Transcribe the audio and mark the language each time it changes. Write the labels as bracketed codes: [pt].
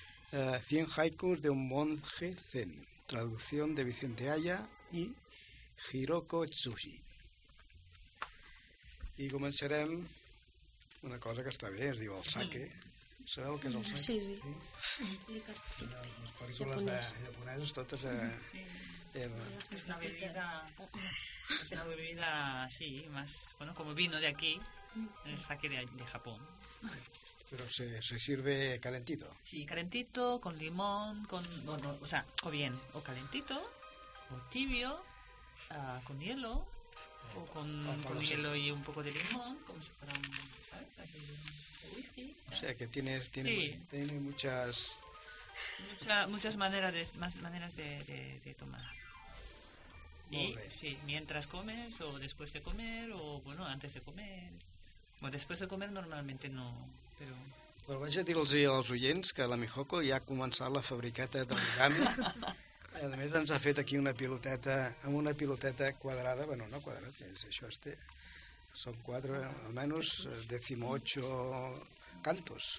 [es] 100 haikus de un monje zen, [ca] traducció de [es] Vicente Aya i Hiroko Tsuji. [ca] I començarem una cosa que està bé, es diu el sake. Sabeu què és el sang? Sí, sí. Les pel·lícules japoneses totes... És una bebida... [es] És una bebida, sí, más, bueno, como vino de aquí, el sake de Japón. Pero se sirve calentito. Sí, calentito, con limón, con... Bueno, o sea, o bien, o calentito, o tibio, con hielo, o con hielo y un poco de limón, como si fuera un, ¿sabes? Un whisky. O sea, que tiene, sí. Tiene muchas... Muchas maneras de tomar. Y, sí, mientras comes o después de comer o bueno, antes de comer. Bueno, después de comer normalmente no, pero... [ca] Però vaig a dir-los als oients que la Mihoko ja ha començat la fabriqueta de l'origami. A més, ens ha fet aquí una piloteta quadrada. Bueno, no quadrada, és, això és... Són quatre, almenys, 18 cantos.